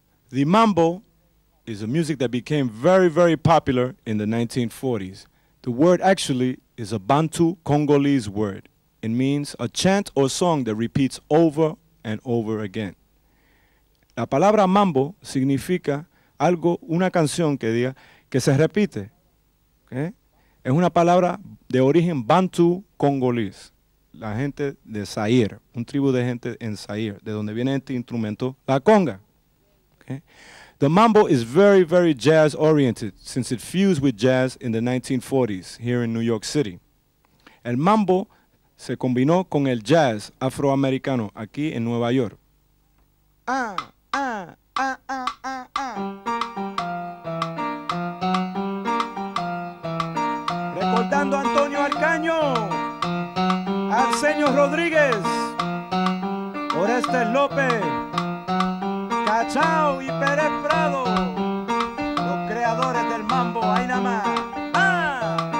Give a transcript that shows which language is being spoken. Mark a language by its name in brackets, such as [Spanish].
[English] The mambo is a music that became very, very popular in the 1940s. The word actually is a Bantu Congolese word. It means a chant or song that repeats over and over again. [Spanish] La palabra mambo significa algo, una canción que diga que se repite. ¿Okay? Es una palabra de origen bantu congolés, la gente de Zaire, un tribu de gente en Zaire, de donde viene este instrumento, la conga. ¿Okay? [English] The mambo is very, very jazz oriented, since it fused with jazz in the 1940s here in New York City. [Spanish] El mambo se combinó con el jazz afroamericano aquí en Nueva York. Recordando a Antonio Arcaño, Arsenio Rodríguez, Orestes López, Cachao y Pérez Prado, los creadores del mambo, ahí nada más.